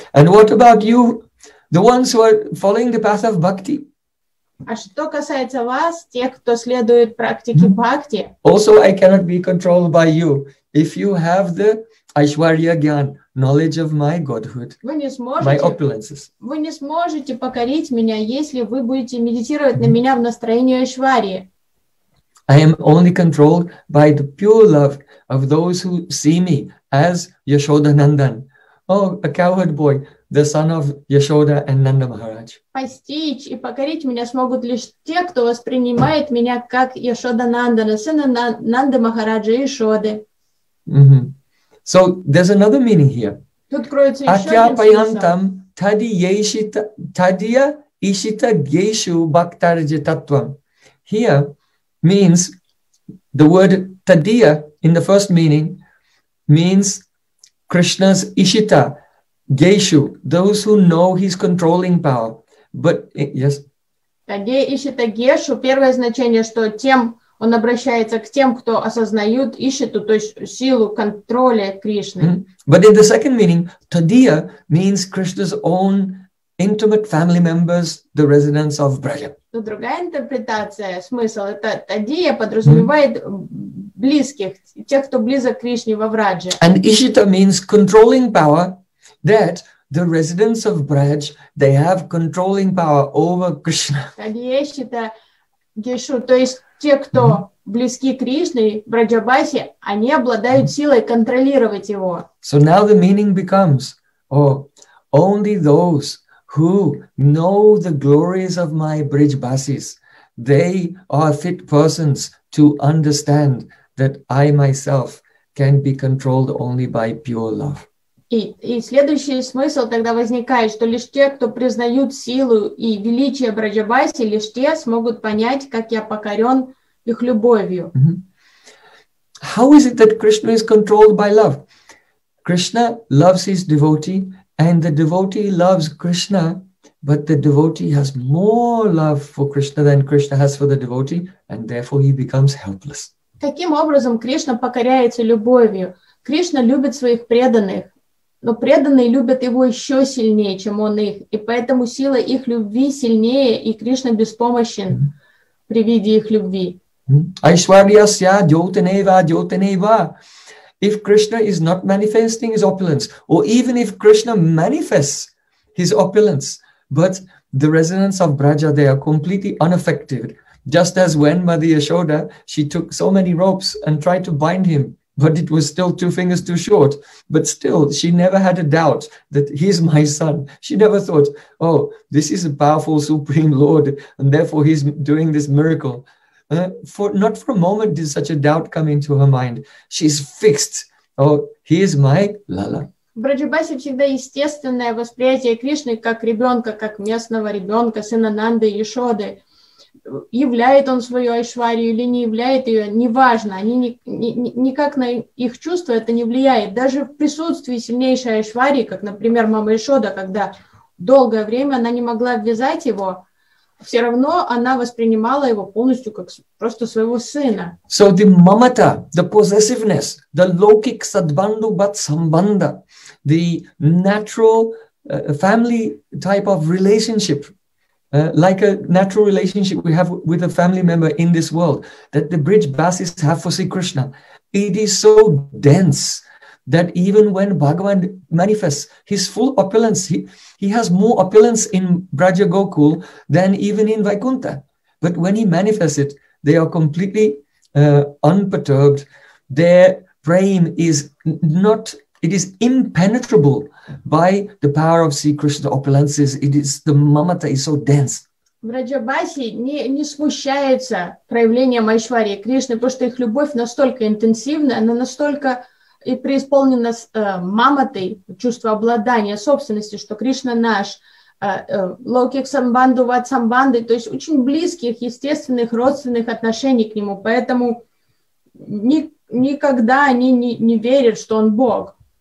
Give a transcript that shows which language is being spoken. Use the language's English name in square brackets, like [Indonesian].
[English] And what about you, the ones who are following the path of bhakti? [Russian] А что касается вас, тех, кто следует практике бхакти? [English] Also, I cannot be controlled by you if you have the Aishwarya Gyan, knowledge of my godhood, my opulences. [Russian] Вы не сможете покорить меня, если вы будете медитировать на меня в настроении Айшварьи. [English] I am only controlled by the pure love of those who see me as Yashoda Nandan. Oh, a cowherd boy, the son of Yashoda and Nanda Maharaj. [Russian] Постичь и покорить меня смогут лишь те, кто воспринимает меня как Яшода Нандана, сына Нанды Махараджа Яшоды. [English] Mm-hmm. So there's another meaning here. [Russian] Тут кроется ещё один смысл. [Sanskrit] Атьяпаянтам тадия ишита гейшу бхактарджи таттвам. [English] Here means the word тадия in the first meaning means Krishna's ishita, geishu, those who know his controlling power. But, yes. [Russian] Таде ишита гешу, первое значение, что тем, он обращается к тем, кто осознают ишиту, то есть силу контроля Кришны. [English] But in the second meaning, тадия means Krishna's own intimate family members, the residents of Braja. [Russian] Но другая интерпретация, смысл, это тадия подразумевает близких, тех, кто близок к Кришне во Врадже. [English] And ishita means controlling power, that the residents of Braj, they have controlling power over Krishna. [Russian] Тадия ишита гешу, то есть те, кто близки к Кришне, Браджабаси, они обладают силой контролировать его. [English] So now the meaning becomes, only those who know the glories of my bridge basis, they are fit persons to understand that I myself can be controlled only by pure love. [Russian] И следующий смысл тогда возникает, что лишь те, кто признают силу и величие Браджабаси, лишь те смогут понять, как я покорен их любовью. Mm-hmm. [English] How is it that Krishna is controlled by love? Krishna loves his devotee, and the devotee loves Krishna, but the devotee has more love for Krishna than Krishna has for the devotee, and therefore he becomes helpless. [Russian] Таким образом, Кришна покоряется любовью. Кришна любит своих преданных, но преданные любят его еще сильнее, чем он их, и поэтому сила их любви сильнее, и Кришна беспомощен при виде их любви. [Sanskrit] Айшварьясья дьотенева дьотенева. [English] If Krishna is not manifesting his opulence, or even if Krishna manifests his opulence, but the residents of Braja, they are completely unaffected. Just as when Mother Yashoda, she took so many ropes and tried to bind him, but it was still two fingers too short. But still, she never had a doubt that he's my son. She never thought, oh, this is a powerful Supreme Lord, and therefore he's doing this miracle. Not for a moment did such a doubt come into her mind. She's fixed. Oh, he is my Lala. [Russian] Браджабаси всегда естественное восприятие Кришны как ребенка, как местного ребенка, сына Нанды и Яшоды. Являет он свою Айшварию или не являет ее, неважно, они никак на их чувства это не влияет. Даже в присутствии сильнейшей Айшварии, как, например, мама Яшода, когда долгое время она не могла ввязать его, все равно она воспринимала его полностью как просто своего сына. [English] So the mamata, the possessiveness, the lokik sadbandhu bat sambandha, the natural family type of relationship, like a natural relationship we have with a family member in this world, that the bridge basis have for Sri Krishna. It is so dense that even when Bhagavan manifests his full opulence, he has more opulence in Braja Gokul than even in Vaikuntha. But when he manifests it, they are completely unperturbed. Their frame is not, it is impenetrable by the power of Sri Krishna opulences. It is, the mamata is so dense. [Russian] Браджабаси не смущается проявлением Айшварии Кришны, потому что их любовь настолько интенсивна, она настолько и преисполнена маматой, чувство обладания, собственности, что Кришна наш, локик самбанду ват самбанды, то есть очень близких, естественных, родственных отношений к нему, поэтому никогда они не верят, что он Бог.